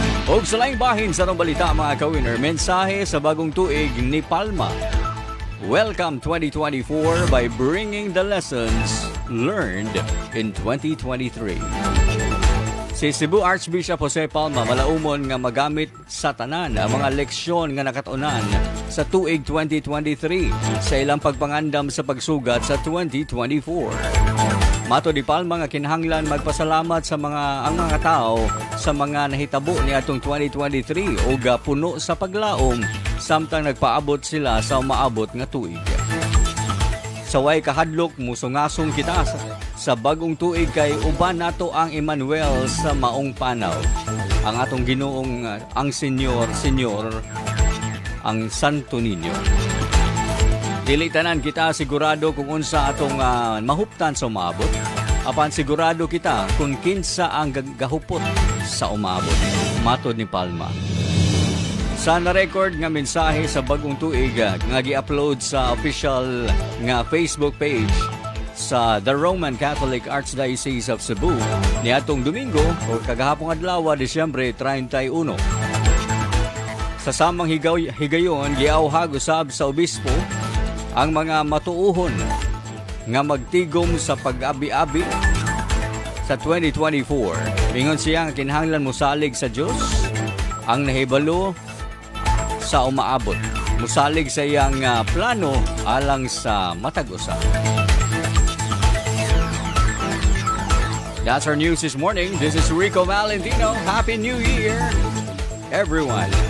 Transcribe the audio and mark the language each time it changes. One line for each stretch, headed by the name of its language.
Cebuano: Og sa laing bahin sa balita mga ka-winner, mensahe sa Bagong Tuig ni Palma.
English: Welcome 2024 by bringing the lessons learned in 2023.
Cebuano: Si Cebu Archbishop Jose Palma malaumon nga magamit sa tanan ang mga leksyon nga nakatunan sa Tuig 2023 sa ilang pagpangandam sa pagsugat sa 2024. Mato ni Palma nga kinahanglan magpasalamat sa mga tao sa mga nahitabo ni atong 2023 ug puno sa paglaom samtang nagpaabot sila sa umaabot nga tuig. Sa way kahadlok, musungasong kita sa Bagong Tuig kay uban nato ang Emmanuel sa Maong Panaw. Ang atong Ginoong ang Senyor, ang Santo Niño. Dili tanan kita sigurado kung unsa atong mahuptan sa umaabot. Apan sigurado kita kung kinsa ang gahupot sa umaabot. Matod ni Palma. Sa na-record nga mensahe sa Bagong Tuig nga gi-upload sa official nga Facebook page sa The Roman Catholic Archdiocese of Cebu niadtong Domingo o kagahapong adlaw, Disyembre 31. Sa samang higayon, giawhag usab sa obispo ang mga matuuhon nga magtigom sa pag-abi-abi sa 2024. Ingon siya nga kinahanglan musalig sa Diyos ang nahibalo sa umaabot. Musalig sa iyang plano alang sa matag-usa.
English: That's our news this morning. This is Rico Valentino. Happy New Year, everyone.